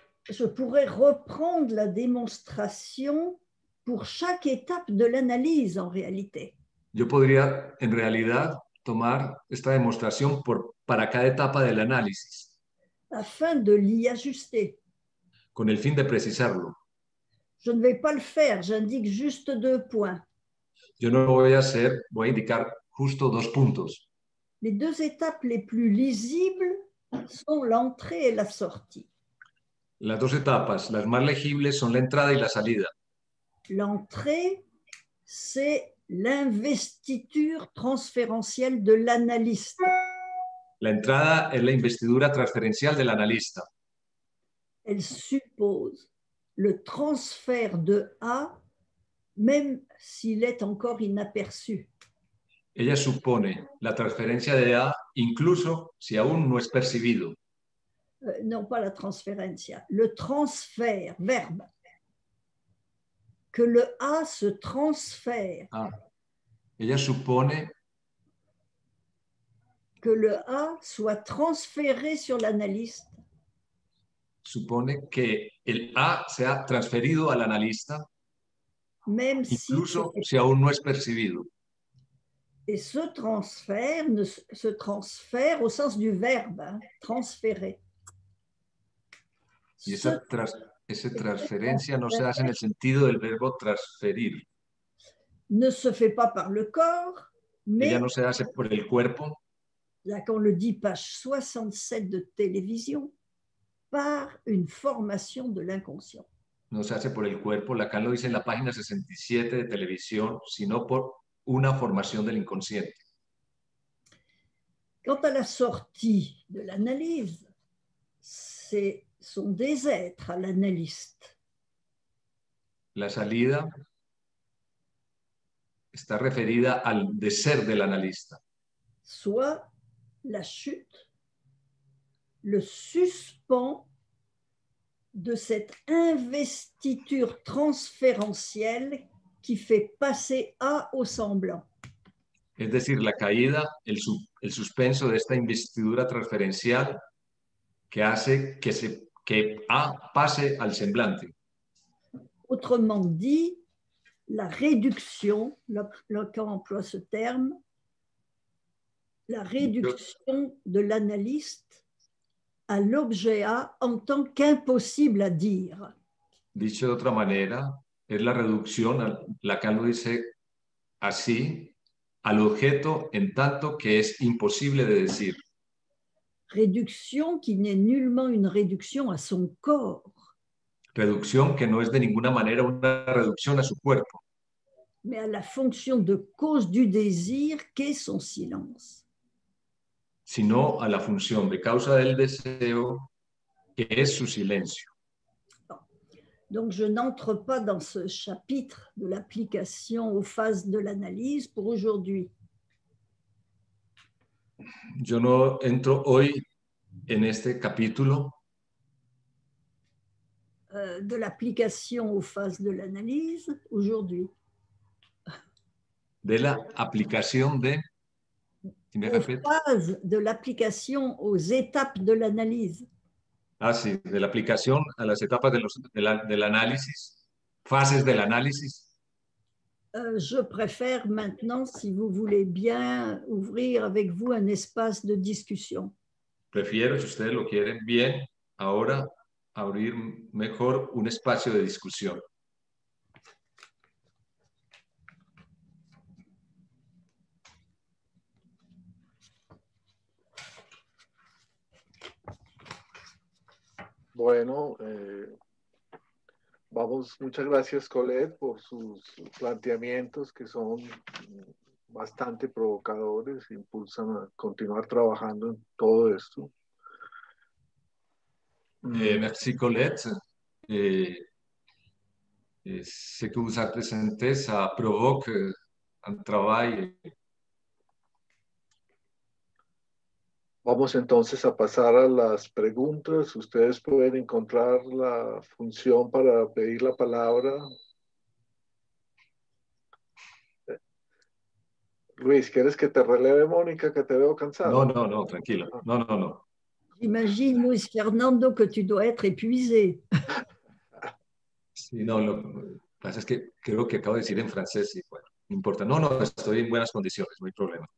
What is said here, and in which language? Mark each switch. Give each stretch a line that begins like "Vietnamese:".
French: Je pourrais reprendre la démonstration pour chaque étape de l'analyse en réalité.
Spanish: Yo podría en realidad tomar esta demostración para cada etapa del análisis.
French: Afin de l'y ajuster.
Spanish: Con el fin de precisarlo.
French: Je ne vais pas le faire, j'indique juste deux points.
Spanish: Yo no lo voy a hacer, voy a indicar justo dos puntos.
French: Les deux étapes les plus lisibles sont l'entrée et la sortie.
Spanish: Las dos etapas, las más legibles, son la entrada y la salida.
French: L'entrée, c'est l'investiture transférentielle de l'analyste.
Spanish: La entrada es la investidura transferencial del analista.
French: Elle suppose le transfert de A, même s'il est encore inaperçu.
Spanish: Ella supone la transferencia de A, incluso si aún no es percibido.
French: Non, pas
Spanish: la transferencia.
French: Le transfert, verbe. Que le A se transfère.
Spanish: Ah. Ella supone
French: que le A soit transféré sur l'analyste.
Spanish: Supone que el A sea transferido al analista.
French: Même
Spanish: incluso si, si aún no es percibido.
French: Et ce transfert ne se transfère au sens du verbe, hein, transférer.
Spanish: Y esa transferencia no se hace en el sentido del verbo transferir.
French: Ne se fait pas par le corps,
Spanish: Mais, ella no se hace por el cuerpo.
French: Là, quand on le dit, page 67 de télévision, par une formation de l'inconscient.
Spanish: No se hace por el cuerpo. Lacan lo dice en la página 67 de televisión, sino por una formación del inconsciente.
French: Quant à la sortie de l'analyse, c'est son désêtre à l'analyste.
Spanish: La salida está referida al de ser del analista.
French: Soit la chute, le suspens de cette investiture transférentielle qui fait passer A au semblant.
Spanish: Es decir, la caída, el suspenso de esta investidura transferencial que hace que A pase al semblante.
French: Autrement dit, la réduction, Lacan emploie ce terme, la réduction de l'analyste à l'objet A en tant qu'impossible à dire.
Spanish: Dicho de otra manera, es la reducción, Lacan lo dice así, al objeto en tanto que es imposible de decir.
French: Réduction qui n'est nullement une réduction à son corps.
Spanish: Reducción que no es de ninguna manera una reducción a su cuerpo.
French: Mais à la fonction de cause du désir qu'est son silence.
Spanish: Sino a la función de causa del deseo que es su silencio.
French: Bon. Donc je n'entre pas dans ce chapitre de l'application aux phases de l'analyse pour aujourd'hui.
Spanish: Yo no entro hoy en este capítulo
French: de l'application aux phases de l'analyse aujourd'hui.
Spanish: De la aplicación de
French: phase de l'application aux étapes de l'analyse. Ah,
Spanish: sí,
French: de l'application à
Spanish: las etapas
French: de l'analyse, phases de l'analyse. Je préfère maintenant, si vous voulez bien, ouvrir avec vous un espace de discussion.
Spanish: Prefiero, si ustedes lo quieren bien, ahora abrir mejor un espacio de discusión. Bueno, vamos, muchas gracias Colette por sus planteamientos que son bastante provocadores, impulsan a continuar trabajando en todo esto.
French: Merci Colette. Ce que vous avez présenté, ça provoque un travail.
Spanish: Vamos entonces a pasar a las preguntas. Ustedes pueden encontrar la función para pedir la palabra. Luis, ¿quieres que te releve, Mónica, que te veo cansado? No, tranquilo. No.
French: Imagine, Luis Fernando, que tú dois être épuisé.
Spanish: Sí, no, lo que pasa es que creo que acabo de decir en francés y bueno. Importa. No, estoy en buenas condiciones, no hay problema.